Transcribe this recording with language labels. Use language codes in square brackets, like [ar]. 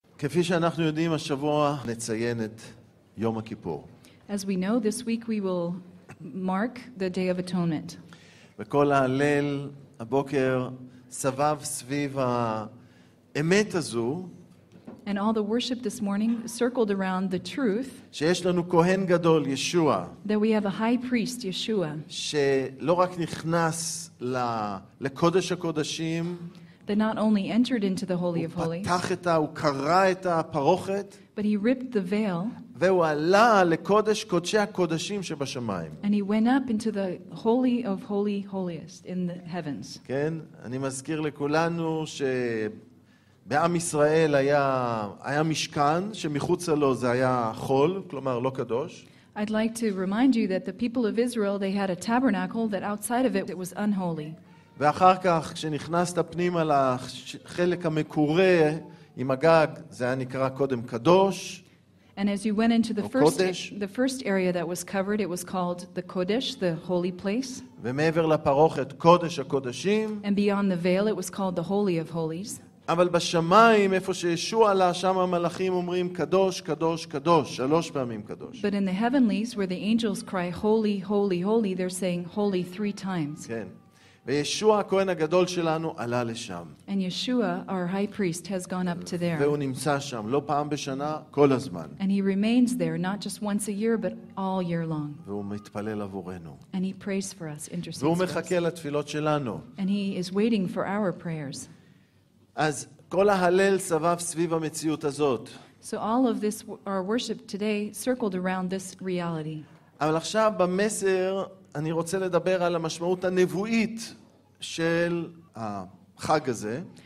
[he] כפי שאנחנו יודעים, השבוע נציין את יום הכיפור. [en] As we know, this week we will mark the Day of Atonement. [he] וכל הליל, הבוקר, סבב סביב האמת הזו. [en] And all the worship this morning circled around the truth. [he] שיש לנו כהן גדול, ישוע. [en] That we have a high priest, Yeshua. [he] שלא רק נכנס לקודש הקודשים, [en] that not only entered into the Holy of Holies, [he] הוא פתח את ה, הוא קרא את הפרוכת, [en] but he ripped the veil, [he] והוא עלה לקודש קודשי הקודשים שבשמיים. [en] And he went up into the Holy of Holy Holiest in the heavens. [he] כן, אני מזכיר לכולנו שבעם ישראל היה משכן, שמחוץ לו זה היה חול, כלומר לא קדוש. [en] I'd like to remind you that the people of Israel, they had a tabernacle that outside of it, it was unholy. [he] ואחר כך כשנכנסת פנימה לחלק המקורה עם הגג, זה היה נקרא קודם קדוש. [en] And as you went into the first area that was covered, it was called the Kodesh, the holy place. [he] ומעבר לפרוכת, קודש הקודשים. [en] And beyond the veil, it was called the Holy of Holies. [he] אבל בשמיים, איפה שישוע עלה, שם המלאכים אומרים קדוש, קדוש, קדוש, שלוש פעמים קדוש. [en] But in the heavenlies, where the angels cry holy, holy, holy, they're saying holy three times. [he] כן. וישוע הכהן הגדול שלנו עלה לשם. [en] And Yeshua, our high priest, has gone up to there. [he] והוא נמצא שם, לא פעם בשנה, כל הזמן. [en] And he remains there, not just once a year, but all year long. [he] והוא מתפלל עבורנו. [en] And he prays for us, intercedes for us. [he] והוא מחכה לתפילות שלנו. [en] And he is waiting for our prayers. [he] אז כל ההלל סבב סביב המציאות הזאת. [en] So all of this, our worship today, circled around this reality. [he] אבל עכשיו במסר, אני רוצה לדבר על המשמעות הנבואית של החג הזה.